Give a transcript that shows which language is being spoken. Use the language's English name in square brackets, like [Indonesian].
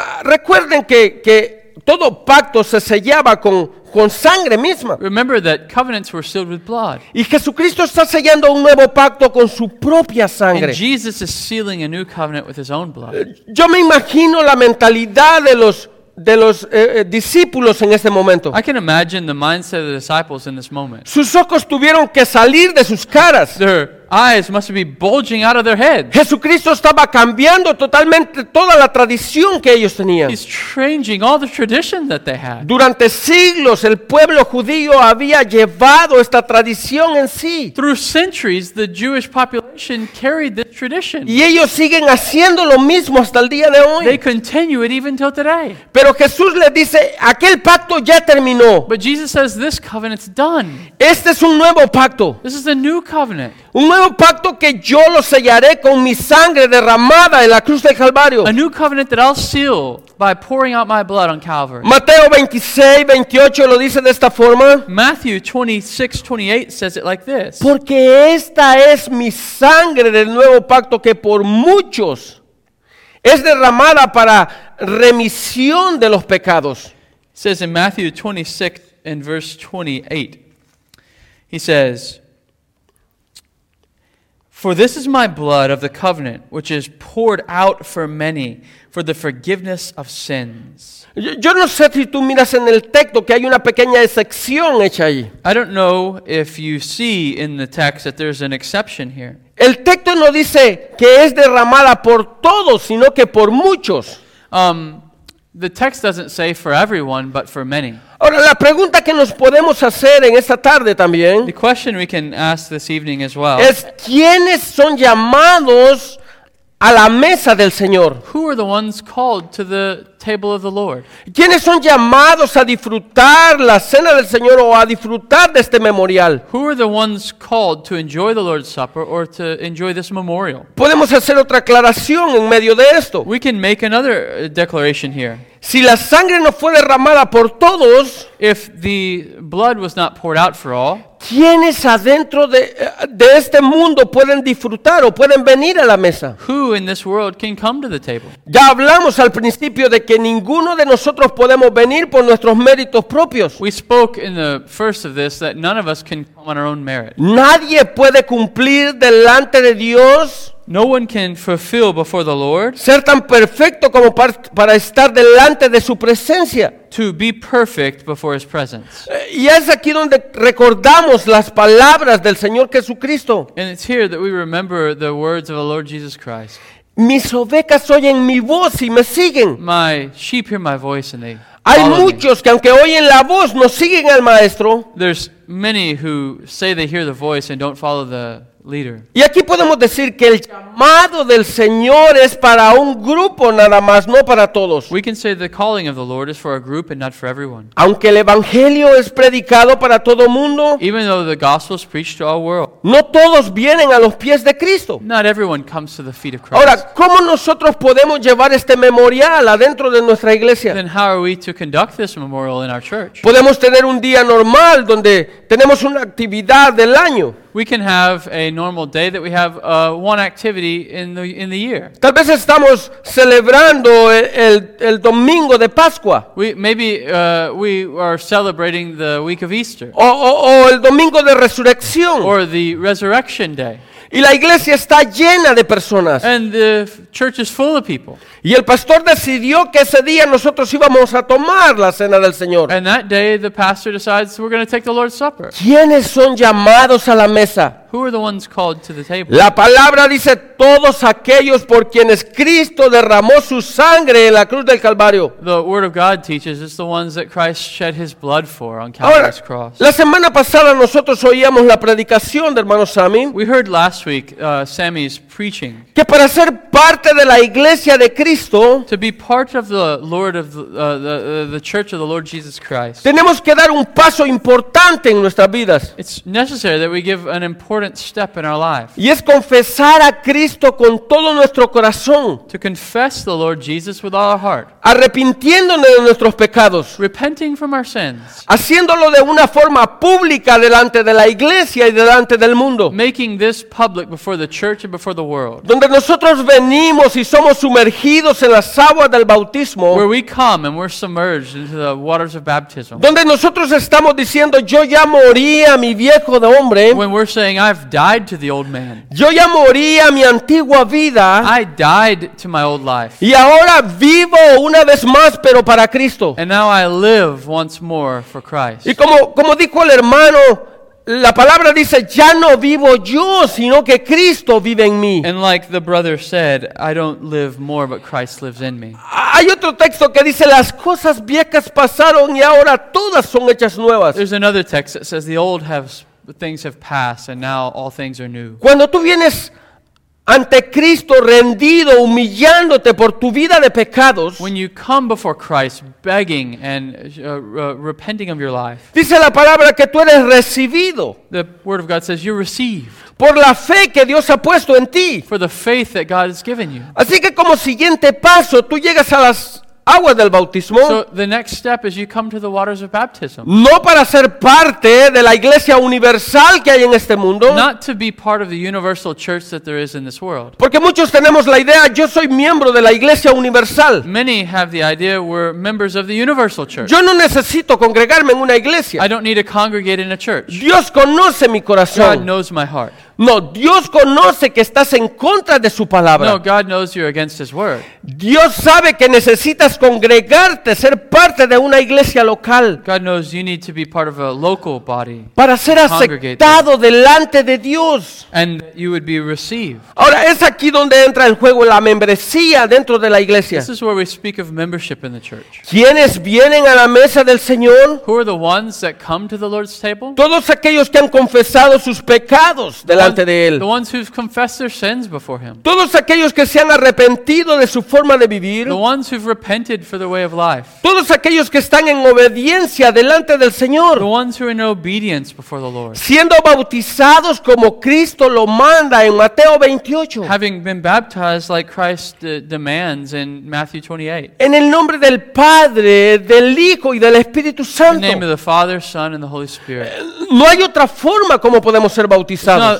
[Spanish] Recuerden que todo pacto se sellaba con sangre misma. [English] Remember that covenants were sealed with blood. [Spanish] Y Jesucristo está sellando un nuevo pacto con su propia sangre. [English] And Jesus is sealing a new covenant with his own blood. [Spanish] Yo me imagino la mentalidad de los discípulos en este momento. [English] I can imagine the mindset of the disciples in this moment. [Spanish] Sus ojos tuvieron que salir de sus caras. [English] Their eyes must be bulging out of their heads. [Spanish] Jesucristo estaba cambiando totalmente toda la tradición que ellos tenían. [English] He's changing all the tradition that they had. [Spanish] Durante siglos el pueblo judío había llevado esta tradición en sí. [English] Through centuries the Jewish population carried this tradition. [Spanish] Y ellos siguen haciendo lo mismo hasta el día de hoy. [English] They continue it even till today. [Spanish] Pero Jesús le dice, aquel pacto ya terminó. [English] But Jesus says, this covenant's done. [Spanish] Este es un nuevo pacto. [English] This is a new covenant. [Spanish] Un nuevo pacto que yo lo sellaré con mi sangre derramada en la cruz del Calvario. [English] A new covenant that I'll seal by pouring out my blood on Calvary. [Spanish] Mateo 26, 28 lo dice de esta forma. [English] Matthew 26, 28 says it like this. [Spanish] Porque esta es mi sangre del nuevo pacto que por muchos es derramada para remisión de los pecados. [English] It says in Matthew 26, in verse 28, he says, for this is my blood of the covenant, which is poured out for many for the forgiveness of sins. [Spanish] Yo no sé si tú miras en el texto que hay una pequeña excepción hecha ahí. [English] I don't know if you see in the text that there's an exception here. [Spanish] El texto no dice que es derramada por todos, sino que por muchos. [English] The text doesn't say for everyone, but for many. [Spanish] Ahora, la pregunta que nos podemos hacer en esta tarde también, [English] the question we can ask this evening as well, [Spanish] es ¿quiénes son llamados a la mesa del Señor? [English] Who are the ones called to the table of the Lord? [Spanish] ¿Quiénes son llamados a disfrutar la cena del Señor o a disfrutar de este memorial? [English] Who are the ones called to enjoy the Lord's Supper or to enjoy this memorial? [Spanish] Podemos hacer otra aclaración en medio de esto. [English] We can make another declaration here. [Spanish] Si la sangre no fue derramada por todos, [English] if the blood was not poured out for all, [Spanish] ¿quiénes adentro de este mundo pueden disfrutar o pueden venir a la mesa? [English] Who in this world can come to the table? [Spanish] Ya hablamos al principio de que ninguno de nosotros podemos venir por nuestros méritos propios. [English] We spoke in the first of this that none of us can come on our own merit. [Spanish] Nadie puede cumplir delante de Dios. [English] No one can fulfill before the Lord. [Spanish] Ser tan perfecto como para estar delante de su presencia. [English] To be perfect before his presence. [Spanish] Y es aquí donde recordamos las palabras del Señor Jesucristo. [English] And it's here that we remember the words of the Lord Jesus Christ. [Spanish] Mis ovejas oyen mi voz y me siguen. [English] My sheep hear my voice and they follow [Spanish] me. Hay muchos que aunque oyen la voz no siguen al maestro. [English] There's many who say they hear the voice and don't follow the leader. [Spanish] Y aquí podemos decir que el llamado del Señor es para un grupo nada más, no para todos. [English] We can say the calling of the Lord is for a group and not for everyone. [Spanish] Aunque el evangelio es predicado para todo mundo, [English] even though the gospel is preached to all world, [Spanish] no todos vienen a los pies de Cristo. [English] Not everyone comes to the feet of Christ. [Spanish] Ahora, ¿cómo nosotros podemos llevar este memorial adentro de nuestra iglesia? [English] Then how are we to conduct this memorial in our church? [Spanish] Podemos tener un día normal donde tenemos una actividad del año. [English] We can have a normal day that we have one activity in the year. [Spanish] Tal vez estamos celebrando el domingo de Pascua. [English] We are celebrating the week of Easter. [Spanish] O el domingo de resurrección. [English] Or the resurrection day. [Spanish] Y la iglesia está llena de personas. [English] And the church is full of people. [Spanish] Y el pastor decidió que ese día nosotros íbamos a tomar la cena del Señor. [English] And that day the pastor decides we're going to take the Lord's Supper. [Spanish] ¿Quiénes son llamados a la mesa? [English] Who are the ones called to the table? [Spanish] La palabra dice todos aquellos por quienes Cristo derramó su sangre en la cruz del Calvario. [English] The word of God teaches it's the ones that Christ shed his blood for on Calvary's cross. [Spanish] La semana pasada nosotros oíamos la predicación de hermano Sammy. [English] We heard last week Sammy's preaching. [Spanish] Que para ser parte de la iglesia de Cristo, [English] to be part of the Lord of the church of the Lord Jesus Christ, [Spanish] tenemos que dar un paso importante en nuestras vidas. [English] It's necessary that we give an important step in our life. [Spanish] Y es confesar a Cristo con todo nuestro corazón. [English] To confess the Lord Jesus with all our heart. [Spanish] Arrepintiéndonos de nuestros pecados. [English] Repenting from our sins. [Spanish] Haciéndolo de una forma pública delante de la iglesia y delante del mundo. [English] Making this public before the church and before the world. [Spanish] Donde nosotros venimos y somos sumergidos en las aguas del bautismo. [English] Where we come and we're submerged into the waters of baptism. [Spanish] Donde nosotros estamos diciendo yo ya morí a mi viejo de hombre. [English] When we're saying I've died to the old man. [Spanish] Yo ya morí a mi antigua vida. [English] I died to my old life. [Spanish] Y ahora vivo una vez más, pero para Cristo. [English] And now I live once more for Christ. [Spanish] Y como dijo el hermano, la palabra dice, ya no vivo yo, sino que Cristo vive en mí. [English] And like the brother said, I don't live more, but Christ lives in me. [Spanish] Hay otro texto que dice, las cosas viejas pasaron y ahora todas son hechas nuevas. [English] There's another text that says, the old things have passed and now all things are new. [Spanish] Cuando tú vienes ante Cristo rendido, humillándote por tu vida de pecados. [English] When you come before Christ begging and repenting of your life. [Spanish] Dice la palabra que tú eres recibido. [English] The word of God says you receive. [Spanish] Por la fe que Dios ha puesto en ti. [English] For the faith that God has given you. [Spanish] Así que como siguiente paso, tú llegas a las agua del bautismo. [English] So the next step is you come to the waters of baptism. [Spanish] No para ser parte de la iglesia universal que hay en este mundo. [English] Not to be part of the universal church that there is in this world. [Spanish] Porque muchos tenemos la idea, yo soy miembro de la iglesia universal. [English] Many have the idea we're members of the universal church. [Spanish] Yo no necesito congregarme en una iglesia. [English] I don't need to congregate in a church. [Spanish] Dios conoce mi corazón. [English] God knows my heart. [Spanish] No, Dios conoce que estás en contra de su palabra. [English] No, God knows you're against his word. [Spanish] Dios sabe que necesitas congregarte, ser parte de una iglesia local. [English] God knows you need to be part of a local body. [Spanish] Para ser aceptado delante de Dios. [English] And you would be received. [Spanish] Ahora es aquí donde entra en juego la membresía dentro de la iglesia. [English] This is where we speak of membership in the church. [Spanish] ¿Quiénes vienen a la mesa del Señor? [English] Who are the ones that come to the Lord's table? [Spanish] Todos aquellos que han confesado sus pecados. [English] All [Spanish] delante de él. [English] The ones who've confessed their sins before him. [Spanish] Todos aquellos que se han arrepentido de su forma de vivir. [English] The ones who've repented for their way of life. [Spanish] Todos aquellos que están en obediencia delante del Señor. [English] The ones who are in obedience before the Lord. [Spanish] Siendo bautizados como Cristo lo manda en Mateo 28. [English] Having been baptized like Christ demands in Matthew 28. [Spanish] En el nombre del Padre, del Hijo y del Espíritu Santo. [English] In the name of the Father, Son and the Holy Spirit. [Spanish] No hay otra forma como podemos ser bautizados.